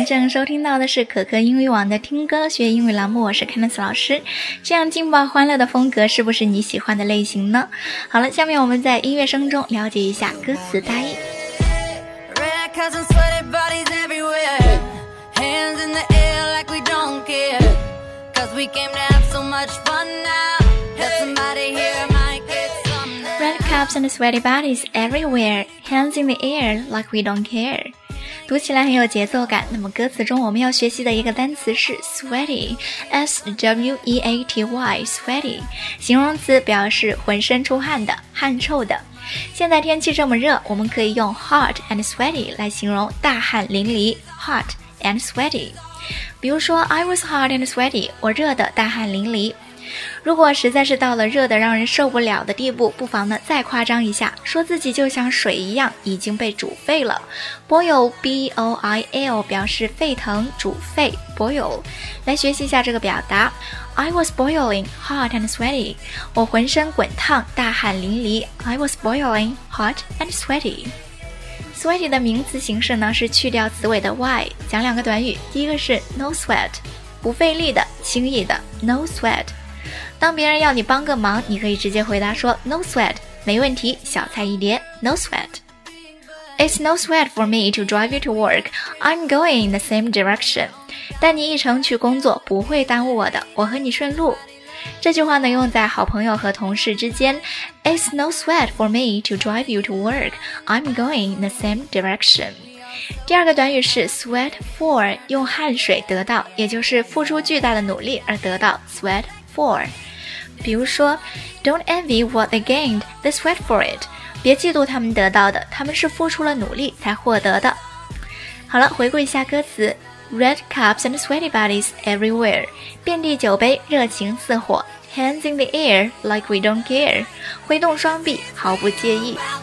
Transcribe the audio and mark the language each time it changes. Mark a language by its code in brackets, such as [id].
[zh] 收听到的是可可英语网的听歌学英语栏目，我是 Candice 老师。这样劲爆欢乐的风格是不是你喜欢的类型呢？好了，下面我们在音乐声中了解一下歌词大意。 [en] Red cause I'm sweaty bodies everywhere. Hands in the air like we don't care. Cause we came to have so much fun now. Let somebody hear my cups and sweaty bodies everywhere, hands in the air like we don't care. [zh] 读起来很有节奏感。那么歌词中我们要学习的一个单词是 sweaty, S-W-E-A-T-Y, sweaty, 形容词，表示浑身出汗的，汗臭的。现在天气这么热，我们可以用 [en] hot and sweaty [zh] 来形容大汗淋漓， hot and sweaty。比如说 [en] I was hot and sweaty, [zh] 我热得大汗淋漓。如果实在是到了热得让人受不了的地步，不妨呢再夸张一下，说自己就像水一样已经被煮沸了。 boil, B-O-I-L 表示沸腾、煮沸， boil。来学习一下这个表达， [en] I was boiling hot and sweaty, [zh] 我浑身滚烫，大汗淋漓。 [en] I was boiling hot and sweaty。 [zh] sweaty 的名词形式呢是去掉词尾的 y。讲两个短语，第一个是 [en] no sweat, [zh] 不费力的、轻易的， no sweat。当别人要你帮个忙，你可以直接回答说 [en] No sweat, [zh] 没问题，小菜一碟， No sweat. [en] It's no sweat for me to drive you to work, I'm going in the same direction. [zh] 带你一程去工作，不会耽误我的，我和你顺路。这句话呢，用在好朋友和同事之间， [en] It's no sweat for me to drive you to work, I'm going in the same direction. [zh] 第二个短语是 [en] sweat for, [zh] 用汗水得到，也就是付出巨大的努力而得到， sweat for。比如说 [en] Don't envy what they gained, they sweat for it, [zh] 别嫉妒他们得到的，他们是付出了努力才获得的。好了，回顾一下歌词， [en] Red cups and sweaty bodies everywhere, [zh] 遍地酒杯，热情似火。 [en] Hands in the air like we don't care, [zh] 挥动双臂，毫不介意。